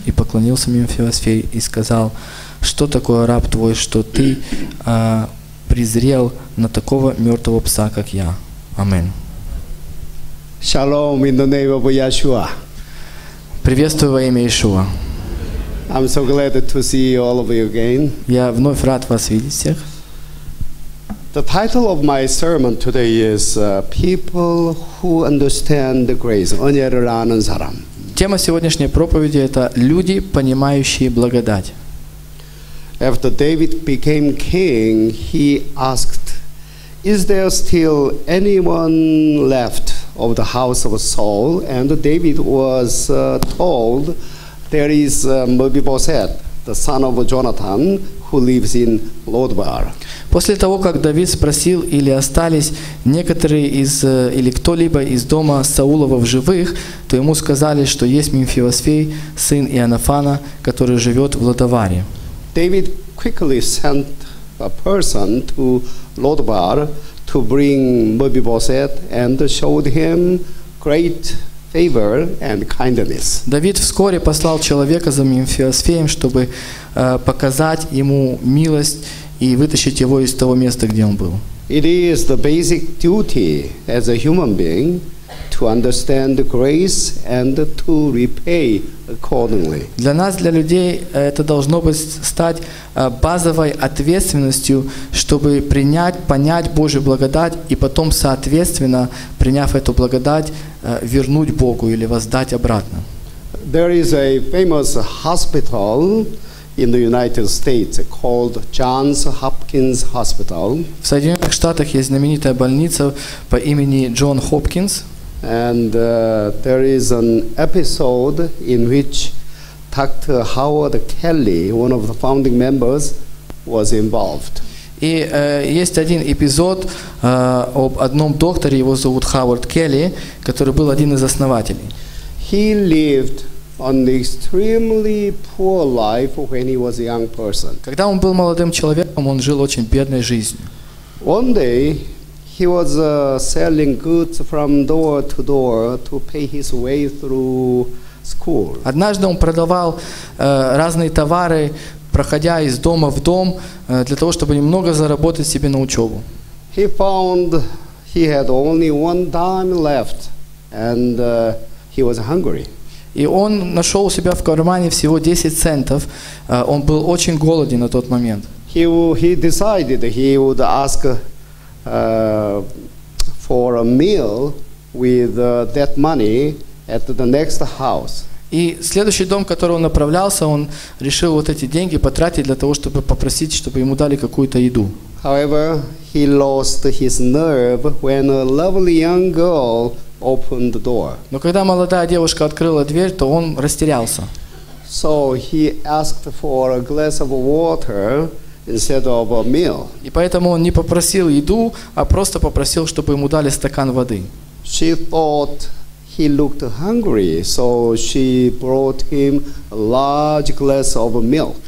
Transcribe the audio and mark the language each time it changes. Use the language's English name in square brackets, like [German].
[Russian] И поклонился Мимфиосфей и сказал: что такое, раб твой, что ты презрел на такого мертвого пса, как я? Амин. [English] Shalom in the name of Yeshua. [Russian] Приветствую во имя Иешуа. [English] I'm so glad to see all of you again. [Russian] Я вновь рад вас видеть всех. [English] The title of my sermon today is "People Who Understand the Grace." [Korean] 은혜를 아는 사람. [Russian] Тема сегодняшней проповеди это люди, понимающие благодать. [English] After David became king, he asked, "Is there still anyone left of the house of Saul, and David was told there is Mephibosheth, the son of Jonathan, who lives in Lodbar. [Russian] После того, как Давид спросил, или остались некоторые из, или кто-либо из дома Саулова в живых, то ему сказали, что есть Мефибосфей, сын Ионафана, который живет в Лодоваре. [English] David quickly sent a person to Lodbar to bring Mephibosheth and showed him great favor and kindness. [Russian] Давид вскоре послал человека за Мефибосфеем, чтобы показать ему милость и вытащить его из того места, где он был. [English] It is the basic duty as a human being to understand the grace and to repay accordingly. [Russian] Для нас, для людей, это должно быть стать базовой ответственностью, чтобы принять, понять Божью благодать и потом соответственно, приняв эту благодать, вернуть Богу или воздать обратно. [English] There is a famous hospital in the United States called Johns Hopkins Hospital. [Russian] В Соединенных Штатах есть знаменитая больница по имени Джон Хопкинс. [English] And there is an episode in which Dr. Howard Kelly, one of the founding members, was involved. [Russian] И есть один эпизод об одном докторе, его зовут Howard Kelly, который был один из основателей. [English] He lived an extremely poor life when he was a young person. [Russian] Когда он был молодым человеком, он жил очень бедной жизнью. [English] One day, he was selling goods from door to door to pay his way through school. [Russian] Однажды он продавал разные товары, проходя из дома в дом, для того, чтобы немного заработать себе на учебу. [English] He found he had only one dime left, and he was hungry. [Russian] И он нашел у себя в кармане всего 10 центов. Он был очень голоден на тот момент. [English] He decided he would ask for a meal with that money at the next house. [Russian] И следующий дом, к которому он направлялся, он решил вот эти деньги потратить для того, чтобы попросить, чтобы ему дали какую-то еду. [English] However, he lost his nerve when a lovely young girl opened the door. [Russian] Но когда молодая девушка открыла дверь, то он растерялся. [English] So he asked for a glass of water instead of a meal. [Russian] И поэтому он не попросил еду, а просто попросил, чтобы ему дали стакан воды. [English] She thought he looked hungry, so she brought him a large glass of milk.